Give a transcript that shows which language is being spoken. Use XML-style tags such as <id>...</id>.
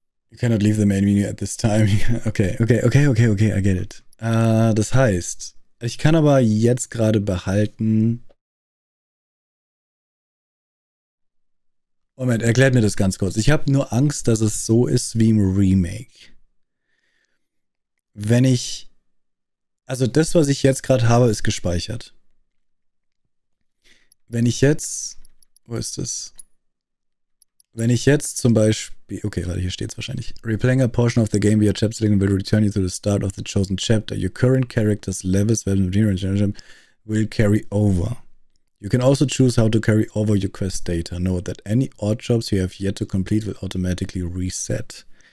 <en>You cannot leave the main menu at this time. Okay, I get it.</en> <de>Das heißt, ich kann aber jetzt gerade behalten. Moment, erklärt mir das ganz kurz. Ich habe nur Angst, dass es so ist wie im Remake. Wenn ich, also das, was ich jetzt gerade habe, ist gespeichert. Wenn ich jetzt, wo ist das? Wenn ich jetzt zum Beispiel, okay, warte, hier steht's wahrscheinlich.</de> <en>Replaying a portion of the game via chapter selection will return you to the start of the chosen chapter. Your current character's levels, weapon, material, and generation will carry over. You can also choose how to carry over your quest data. Note that any odd jobs you have yet to complete will automatically reset.</en>